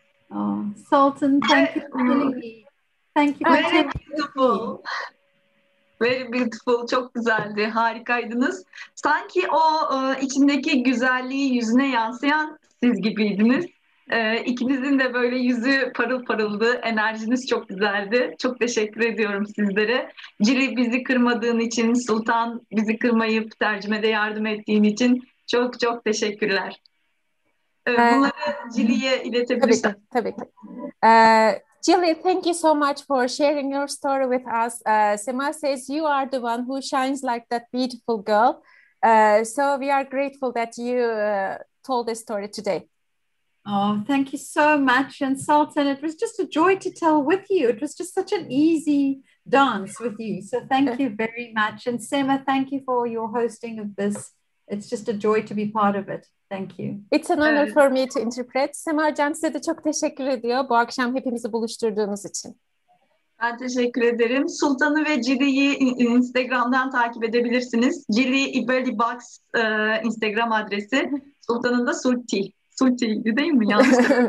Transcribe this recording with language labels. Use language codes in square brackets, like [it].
[en] Oh, Sultan, thank you for having me. Thank you. Very beautiful. Very beautiful. [tr] Çok güzeldi. Harikaydınız. Sanki o içindeki güzelliği yüzüne yansıyan siz gibiydiniz. İkinizin de böyle yüzü parıl parıldı. Enerjiniz çok güzeldi. Çok teşekkür ediyorum sizlere. Cili bizi kırmadığın için, Sultan bizi kırmayıp tercümede yardım ettiğin için çok çok teşekkürler. Bunları Cili'ye iletebilirsin. Tabii ki. [en] Jilly, thank you so much for sharing your story with us. Sema says you are the one who shines like that beautiful girl. So we are grateful that you told this story today. Oh, thank you so much. And Sultan, it was just a joy to tell with you. It was just such an easy dance with you. So thank you very much. And Sema, thank you for your hosting of this. It's just a joy to be part of it. Thank you. It's an honor for me to interpret. [tr] Sema Hocam size de çok teşekkür ediyor bu akşam hepimizi buluşturduğunuz için. Ben teşekkür ederim. Sultan'ı ve Cili'yi Instagram'dan takip edebilirsiniz. Cili Iberli Box Instagram adresi. Sultan'ın da Sulti. Sulti'ydi değil mi? Yanlış.